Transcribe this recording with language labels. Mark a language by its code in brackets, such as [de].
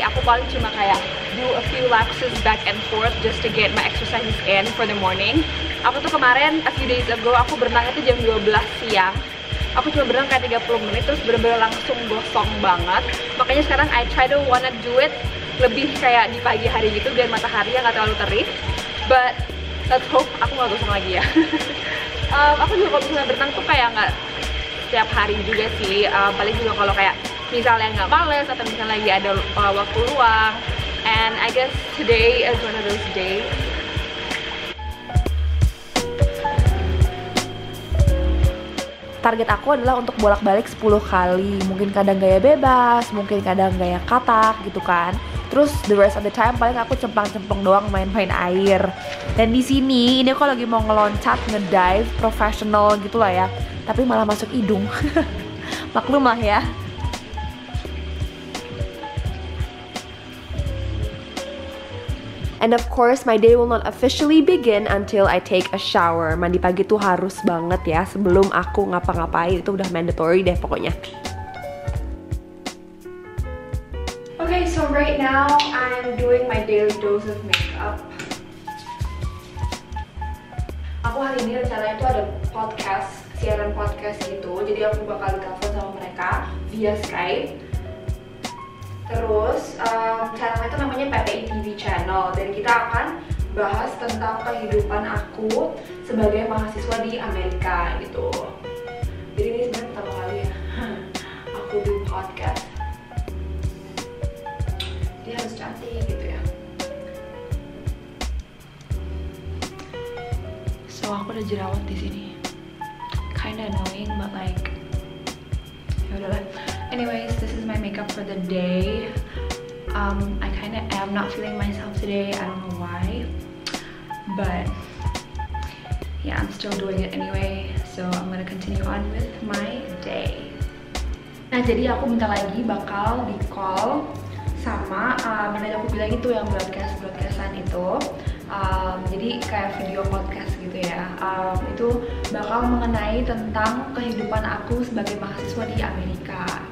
[id] Aku paling cuma kayak [en] do a few laps back and forth just to get my exercises in for the morning. [id] Aku tuh kemarin, [en] a few days ago, [id] aku berenang itu jam 12 siang. Aku cuma berenang kayak 30 menit, terus bener-bener langsung gosong banget. Makanya sekarang [en] I try to wanna do it [id] lebih kayak di pagi hari gitu, biar matahari yang gak terlalu terik. [en] But let's hope [id] aku gak gosong lagi ya. Aku juga kalau misalnya berenang tuh kayak gak setiap hari juga sih, paling juga kalau kayak misalnya nggak males atau misalnya lagi ada waktu luang. [en] And I guess today is one of those days. [id] Target aku adalah untuk bolak-balik 10 kali. Mungkin kadang gaya bebas, mungkin kadang gaya katak gitu kan. Terus [en] the rest of the time [id] paling aku cempang-cempang doang main-main air. Dan di sini ini aku lagi mau ngeloncat, ngedive professional gitu lah ya. Tapi malah masuk hidung. Maklum lah ya. [en] And of course, my day will not officially begin until I take a shower. [id] Mandi pagi tuh harus banget ya, sebelum aku ngapa-ngapain, itu udah mandatory deh pokoknya. [en] Okay, so right now I'm doing my daily dose of makeup. [id] Aku hari ini rencananya tuh ada podcast, siaran podcast gitu. Jadi aku bakal telepon sama mereka via Skype. Terus, channelnya itu namanya PPI TV Channel. Dan kita akan bahas tentang kehidupan aku sebagai mahasiswa di Amerika gitu. Jadi ini sebenarnya pertama kali ya aku di podcast. Jadi harus cantik gitu ya. So, aku udah jerawat di sini. [en] Kinda annoying, but like, [id] yaudahlah. [en] Anyways, this is my makeup for the day. I kinda am not feeling myself today, I don't know why. But yeah, I'm still doing it anyway, so I'm gonna continue on with my day. [id] Nah, jadi aku bentar lagi bakal di-call sama manajer aku bilang itu yang broadcast-broadcastan itu. Jadi kayak video podcast gitu ya. Itu bakal mengenai tentang kehidupan aku sebagai mahasiswa di Amerika.